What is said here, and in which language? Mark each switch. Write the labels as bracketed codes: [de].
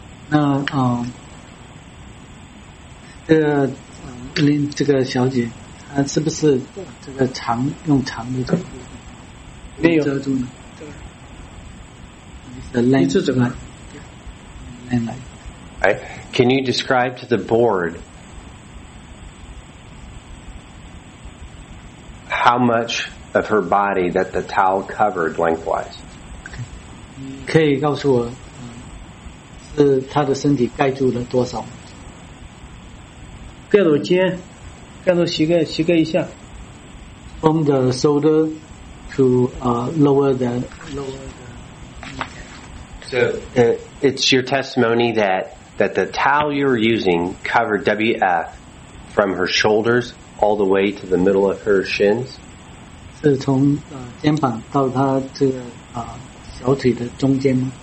[en] Can you describe to the board how much of her body that the towel covered lengthwise? [zh] 可以告诉我, 是他的身体盖住了多少？盖到肩， 盖到膝盖， 膝盖以下。 [en] From the shoulder to lower the So it's your testimony that the towel you were using covered WF from her shoulders all the way to the middle of her shins? [zh] 是从肩膀到她这个小腿的中间吗？